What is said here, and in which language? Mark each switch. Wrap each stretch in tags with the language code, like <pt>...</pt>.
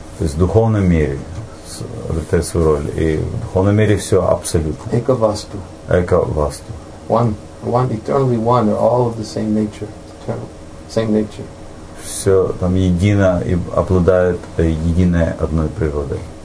<ru>То есть в духовном мире обретает свою роль. И в духовном мире все абсолютно. Эко-васту. Эко-васту.</ru> <en>One, eternally one, all of the same nature. Eternal, same nature.</en> <ru>Все там едино и обладает единой одной природой.</ru>